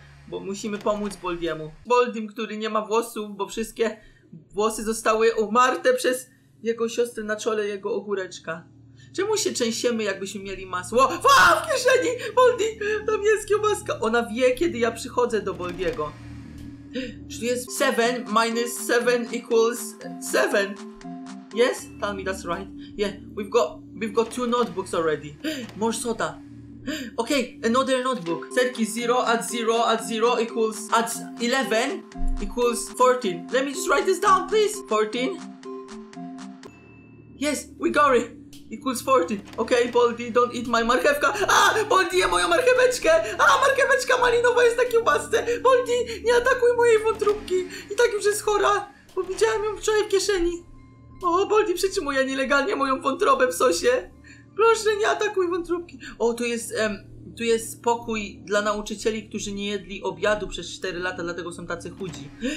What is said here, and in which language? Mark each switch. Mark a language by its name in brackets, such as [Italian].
[Polish] Bo musimy pomóc Baldiemu. Baldim, który nie ma włosów, bo wszystkie włosy zostały umarte przez jego siostrę na czole jego ogóreczka. Czemu się trzęsiemy, jakbyśmy mieli masło? O, w kieszeni! Baldi! Tam jest kiełbaska! Ona wie, kiedy ja przychodzę do Baldiego. Czy tu jest 7 minus 7 equals 7? [English] Yes? Tell me that's right. Yeah, we've got two notebooks already. More soda. Okay, another notebook. Serki, 0 at 0 at 0 equals at 11 equals 14. Let me just write this down, please. 14. Yes, we got it. Equals 40. Okay, Baldi, don't eat my marchewka. [Polish] A, Baldi je moją marcheweczkę. A, marcheweczka malinowa jest na kiełbasce. Baldi, nie atakuj mojej wątróbki. I tak już jest chora, bo widziałem ją wczoraj w kieszeni. O, Baldi przytrzymuje nielegalnie moją wątrobę w sosie. Proszę, nie atakuj wątróbki. O, tu jest pokój dla nauczycieli, którzy nie jedli obiadu przez 4 lata, dlatego są tacy chudzi.